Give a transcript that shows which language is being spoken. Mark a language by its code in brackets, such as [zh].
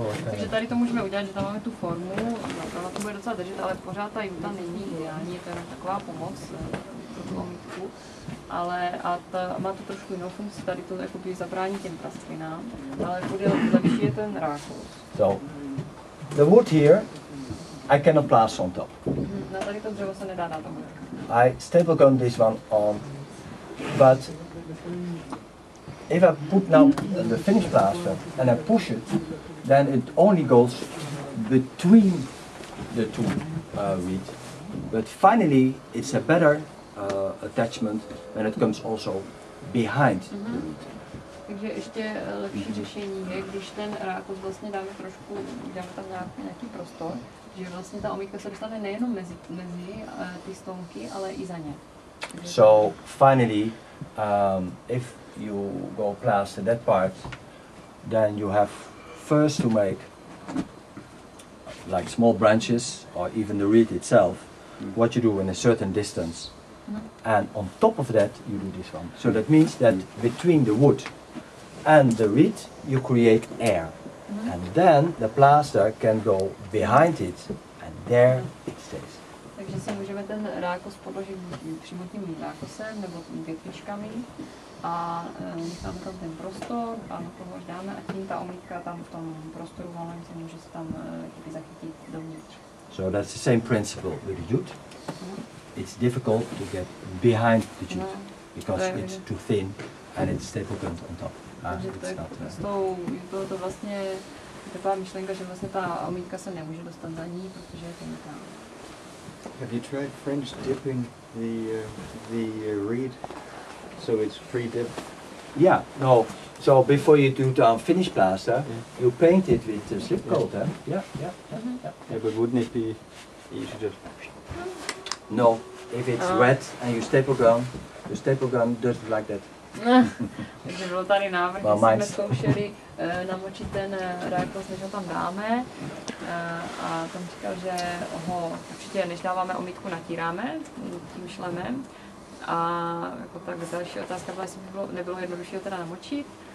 [cs] Takže tady to můžeme udělat, že tam máme tu formu, ona to bude docela držet, ale pořád ta juta není ideální, je to jenom taková pomoc pro tu omítku. Ale má to trošku jinou funkci, tady to jakoby zabrání těm prasklinám, ale bude lepší je ten rákos. [en] So, the wood here, I cannot plaster on top. [cs] Na tady to dřevo se nedá na tom. [en] I staple gun this one on, but if I put now the finished plaster and I push it, then it only goes between the two reeds. But finally, it's a better attachment when it comes also behind the reed. [cs] Takže ještě lepší řešení je, když ten rákos vlastně dáme trošku, dáme tam nějaký prostor, že vlastně ta omítka se dostane nejenom mezi ty stonky, ale i za ně. [en] So finally, if you go plaster that part, then you have first to make like small branches or even the reed itself, what you do in a certain distance. And on top of that you do this one. So that means that between the wood and the reed you create air. And then the plaster can go behind it, and there it stays. [cs] Takže si můžeme ten rákos podložit přímo tím rákosem nebo větvičkami a necháme tam ten prostor a na to až dáme a tím ta omítka tam v tom prostoru volném se může se tam zachytit dovnitř. [en] So that's the same principle with the jute. It's difficult to get behind the jute because it's too thin and it's stapled on top. [cs] S tou jutou to vlastně taková myšlenka, že vlastně ta omítka se nemůže dostat za ní, protože je tenká. [en] Have you tried French dipping the reed so it's pre-dipped? Yeah, no. So before you do the finished plaster, you paint it with the slip coat, then? Yeah. But wouldn't it be easy just... No, if it's wet and you staple gun, the staple gun does it like that. [cs] Takže bylo tady návrh, že jsme zkoušeli namočit ten rákos, než ho tam dáme. A tam říkal, že ho určitě než dáváme omítku, natíráme tím šlemem. A jako tak další otázka byla, jestli by bylo, nebylo jednodušší ho teda namočit.